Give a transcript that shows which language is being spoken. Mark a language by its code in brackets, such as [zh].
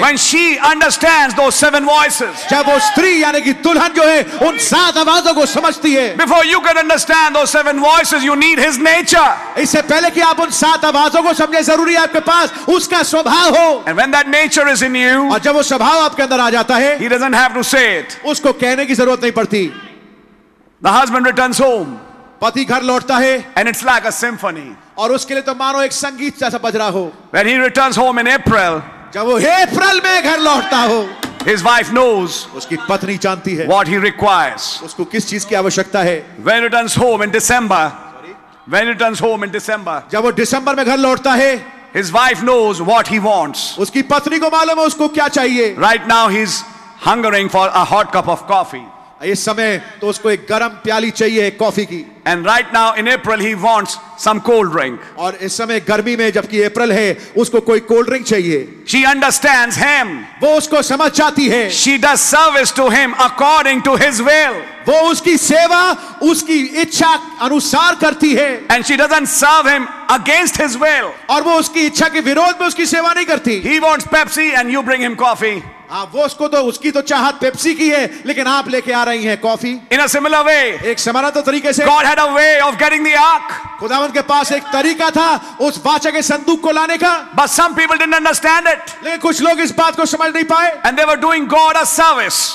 [en] When she understands those seven voices. [hi] जब वो स्त्री यानी कि दुल्हन जो है उन सात आवाजों को समझती है. [en] Before you can understand those seven voices, you need his nature. [hi] इससे पहले कि आप उन सात आवाजों को समझे जरूरी है आपके पास उसका स्वभाव हो. [en] And when that nature is in you. [hi] और जब वो स्वभाव आपके आ जाता है. [en] He doesn't have to say it. [hi] उसको कहने की जरूरत नहीं पड़ती. [en] The husband returns home. [hi] पति घर लौटता है. [en] And it's like a symphony. [hi] और उसके लिए तो मानो एक संगीत जैसा बज रहा हो. [en] When he returns home in April. [hi] जब वो अप्रैल में घर लौटता हो. [en] His wife knows. [hi] उसकी पत्नी जानती है. [en] What he requires. [hi] उसको किस चीज की आवश्यकता है. [en] When he returns home in December. When he returns home in December. [hi] जब वो दिसंबर में घर लौटता है. [en] His wife knows what he wants. [hi] उसकी पत्नी को मालूम है उसको क्या चाहिए. [en] Right now he's hungering for a hot cup of coffee. [hi] इस समय तो उसको एक गर्म प्याली चाहिए कॉफी की. [en] And right now in April he wants some cold drink. [hi] और इस समय गर्मी में जबकि अप्रैल है उसको कोई कोल्ड ड्रिंक चाहिए. [en] She understands him. [hi] वो उसको समझ जाती है. [en] She does service to him according to his will. [hi] वो उसकी सेवा उसकी इच्छा अनुसार करती है. [en] And she doesn't serve him against his will. [hi] और वो उसकी इच्छा के विरोध में उसकी सेवा नहीं करती. [en] He wants Pepsi and you bring him coffee. [hi] वो उसको तो उसकी तो चाहत पेप्सी की है लेकिन आप लेके आ रही हैं coffee. [en] in a similar way [hi] एक समान तो तरीके से [en] God had a way of getting the ark. [hi] खुदावंत के पास एक तरीका था उस वाचा के संदूक को लाने का. [en] But some people didn't understand it. [hi] लेकिन कुछ लोग इस बात को समझ नहीं पाए. [en] And they were doing God a service.